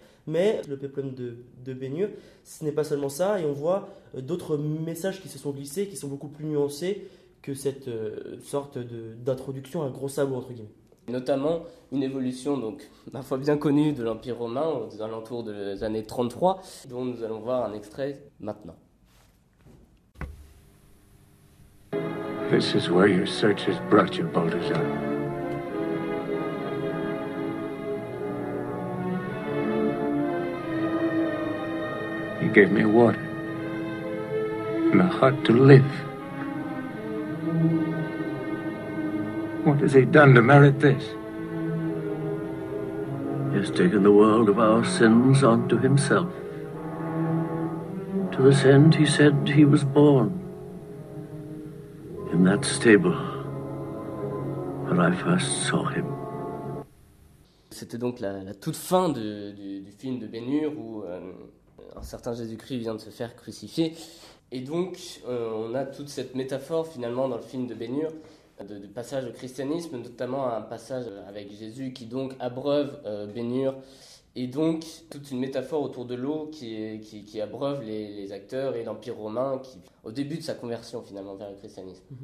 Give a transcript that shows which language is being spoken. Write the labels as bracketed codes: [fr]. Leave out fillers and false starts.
[fr] Mais le péplum de Ben-Hur, ce n'est pas seulement ça, et on voit d'autres messages qui se sont glissés, qui sont beaucoup plus nuancés que cette sorte d'introduction à gros sabots, entre guillemets. Notamment une évolution donc parfois bien connue de l'Empire romain aux alentours des années 33, dont nous allons voir un extrait maintenant. [en] This is where your search has brought you, Baldassare. You gave me water and a heart to live. What has he done to merit this? He has taken the world of our sins onto himself. To this end, he said he was born in that stable where I first saw him. [fr] C'était donc la toute fin du film de Ben-Hur où un certain Jésus-Christ vient de se faire crucifier. Et donc, on a toute cette métaphore finalement dans le film de Ben-Hur. Du passage au christianisme, notamment un passage avec Jésus qui donc abreuve Ben-Hur, et donc toute une métaphore autour de l'eau qui abreuve les acteurs et l'Empire romain qui, au début de sa conversion finalement vers le christianisme.